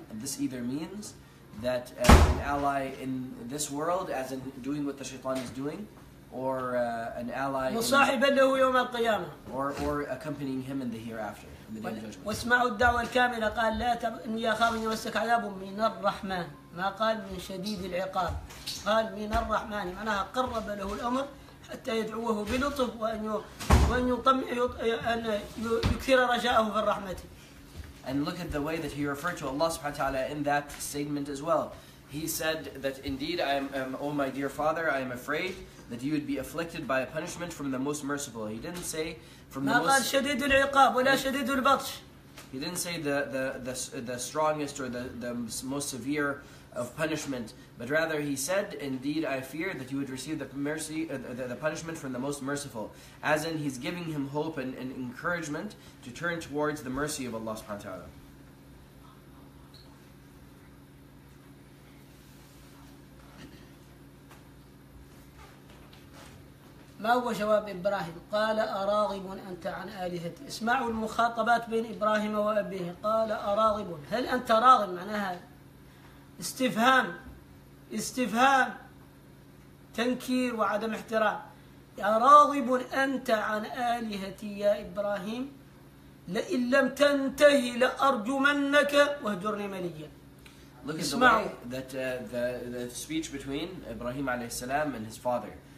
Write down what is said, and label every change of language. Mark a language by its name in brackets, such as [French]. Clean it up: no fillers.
[English] This either means that an ally in this world as in doing what the shaytan is doing, or an ally [Arabic] مصاحباً له يوم القيامة [English] or accompanying him in the hereafter. [Arabic] واسمعوا الدعوة الكاملة قال لا تبني أخاف أن يمسك عذاب من الرحمن ما قال من شديد العقاب قال من الرحمن معناها قرب له الأمر حتى يدعوه بلطف وأن يطمع أن يكثر رجاءه في الرحمة. [English] And look at the way that he referred to Allah subhanahu wa ta'ala in that statement as well. He said that indeed I am oh my dear father, I am afraid that you would be afflicted by a punishment from the most merciful. He didn't say from the most [Arabic] شديد العقاب ولا شديد البطش. [English] He didn't say the strongest or the most severe of punishment, but rather he said, indeed I fear that you would receive the mercy the punishment from the most merciful. As in he's giving him hope and encouragement to turn towards the mercy of Allah subhanahu wa ta'ala. [Arabic] ما هو جواب إبراهيم؟ قال أراغب أنت عن آلهتي. اسمعوا المخاطبات بين إبراهيم وأبيه. قال أراغب. هل أنت راغب؟ معناها استفهام. استفهام. تنكير وعدم احترام. أراغب أنت عن آلهتي يا إبراهيم؟ لئن لم تنتهي لأرجمنك واهجرني مليا. [English] Look at the way that the speech between Ibrahim [Arabic] عليه السلام [English] and his father.